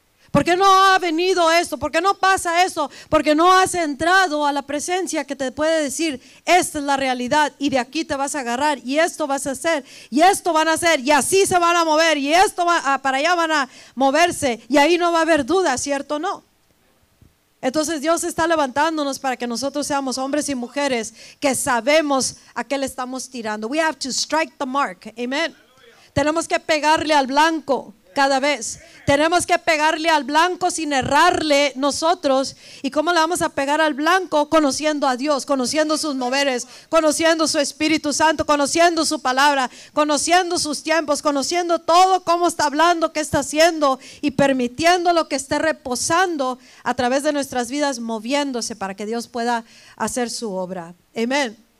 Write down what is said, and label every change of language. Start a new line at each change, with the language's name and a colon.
Spanish: ¿Por qué no ha venido esto? ¿Por qué no pasa eso? Porque no has entrado a la presencia que te puede decir, esta es la realidad, y de aquí te vas a agarrar, y esto vas a hacer, y esto van a hacer, y así se van a mover, y esto va, para allá van a moverse, y ahí no va a haber duda, ¿cierto o no? Entonces Dios está levantándonos para que nosotros seamos hombres y mujeres que sabemos a qué le estamos tirando.
English: We have to strike the mark, amen.
Spanish: Tenemos que pegarle al blanco. Cada vez tenemos que pegarle al blanco sin errarle nosotros. ¿Y cómo le vamos a pegar al blanco? Conociendo a Dios, conociendo sus moveres, conociendo su Espíritu Santo, conociendo su palabra, conociendo sus tiempos, conociendo todo, cómo está hablando, qué está haciendo, y permitiendo lo que esté reposando a través de nuestras vidas, moviéndose para que Dios pueda hacer su obra. Amén.